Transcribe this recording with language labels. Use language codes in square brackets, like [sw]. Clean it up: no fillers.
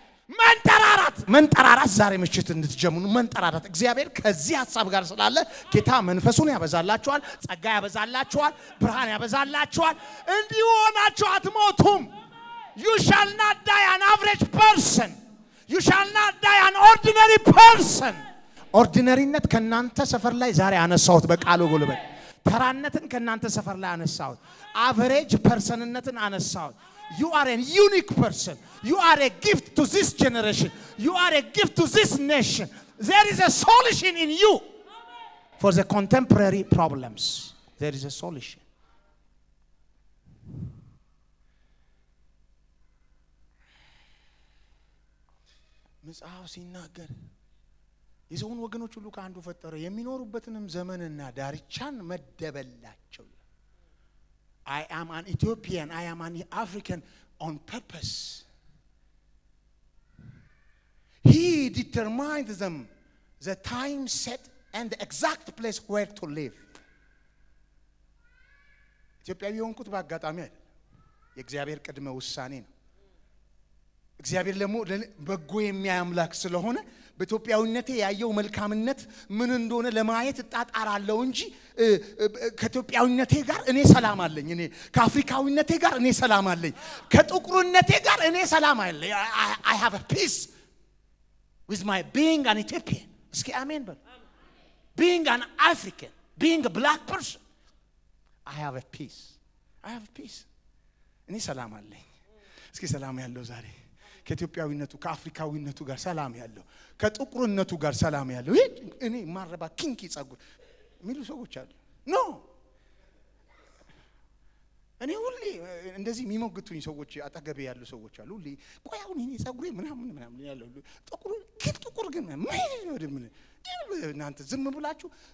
[am] መንጠራራት መንጠራራት ዛሬ ምሽት እንድትጀምሩ መንጠራራት። እግዚአብሔር ከዚህ ሐሳብ ጋር ስላለ ጌታ መንፈሱን ያበዛላችኋል፣ ጸጋ ያበዛላችኋል፣ ብርሃን ያበዛላችኋል። እንዲሆናችሁ አትሞቱም። [en] You shall not die an average person. You shall not die an ordinary person. [am] ኦርዲነሪነት ከናንተ ሰፈር ላይ ዛሬ አነሳሁት በቃሉ ጉልበት። ተራነትን ከናንተ ሰፈር ላይ አነሳሁት። አቨሬጅ ፐርሰንነትን አነሳሁት። [en] You are a unique person. You are a gift to this generation. You are a gift to this nation. There is a solution in you for the contemporary problems. There is a solution. [am] መጽሐፍ ሲናገር የሰውን ወገኖች ሁሉ ከአንዱ ፈጠረ የሚኖሩበትንም ዘመንና ዳርቻን መደበላቸው። [en] I am an Ethiopian, I am an African on purpose. He determined them the time set and the exact place where to live. [am] ኢትዮጵያዊ ሆንኩት ባጋጣሚ አይደል? የእግዚአብሔር ቅድመ ውሳኔ ነው። እግዚአብሔር ለሞ በጎ የሚያምላክ ስለሆነ በኢትዮጵያዊነቴ ያየው መልካምነት ምን እንደሆነ ለማየት ተጣጣራለሁ እንጂ ከኢትዮጵያዊነቴ ጋር እኔ ሰላም አለኝ። እኔ ከአፍሪካዊነቴ ጋር እኔ ሰላም አለኝ። ከጥቁርነቴ ጋር እኔ ሰላም አለኝ። [en] I have a peace with my being an Ethiopian. [am] እስኪ አሜን በሉ። [en] Being an African, being a black person, I have a peace. [am] እኔ ሰላም አለኝ። እስኪ ሰላም ያለው ዛሬ ከኢትዮጵያዊነቱ ከአፍሪካዊነቱ ጋር ሰላም ያለው ከጥቁርነቱ ጋር ሰላም ያለው እኔ ማረባ ኪንኪ ጻጉል ሚሉ ሰዎች አሉ። ኖ እኔ ሁሌ እንደዚህ የሚሞግቱኝ ሰዎች አጠገቤ ያሉ ሰዎች አሉ። ሁሌ ቆይ አሁን እኔ ጻጉሬ ምናምን ምናምን ያለው ጥቁር ግን ጥቁር ግን ማይወድ ምን እናንተ ዝም ብላችሁ